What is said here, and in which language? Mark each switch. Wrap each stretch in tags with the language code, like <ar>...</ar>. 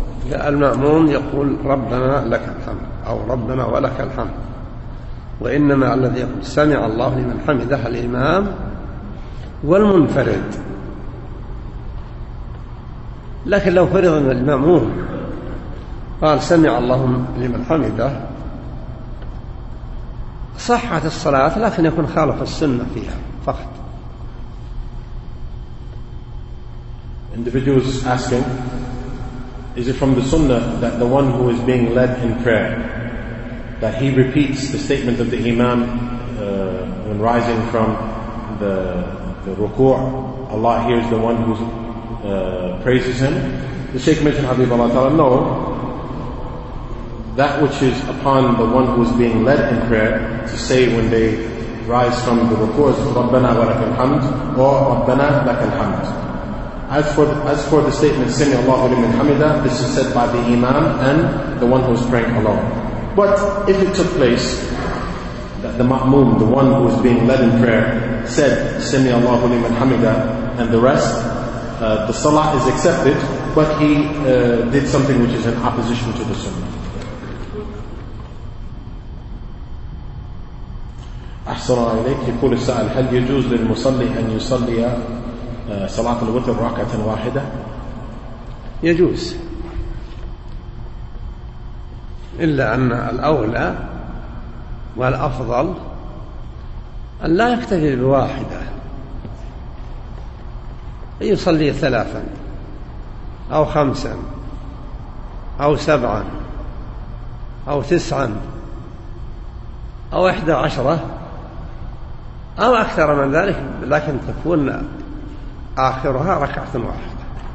<ar>لا المأموم يقول ربنا لك الحمد أو ربنا ولك الحمد وإنما الذي يقول سمع الله لمن حمده الإمام والمنفرد لكن لو فرض أن المأموم قال سمع الله لمن حمده صحة الصلاة لكن يكون خالف السنة فيها فقط.</ar> <en>Individuals asking, is it from the Sunnah that the one who is being led in prayer that he repeats the statement of the Imam when rising from the ruku', Allah hears the one who praises him? The Shaykh mentioned Habib Allah Ta'ala, no. That which is upon the one who is being led in prayer to say when they rise from the ruku is</en> <ar>Rabbana wa laka alhamd</ar> <en>or</en> <ar>Rabbana laka alhamd.</ar> <en>As for the statement</en> <ar>Sami Allahu liman hamida,</ar> <en>this is said by the imam and the one who is praying alone. But if it took place that the ma'mum, the one who is being led in prayer, said</en> <ar>Sami Allahu liman hamida</ar> <en>and the rest, the salah is accepted, but he did something which is in opposition to the sunnah.</en> <ar>أحسن عليك يقول السائل هل يجوز للمصلي أن يصلي صلاة الوتر ركعة واحدة؟ يجوز، إلا أن الأولى والأفضل أن لا يكتفي بواحدة، أن يصلي ثلاثا أو خمسا أو سبعا أو تسعا أو إحدى عشرة أو أكثر من ذلك، لكن تكون آخرها ركعة واحدة.</ar>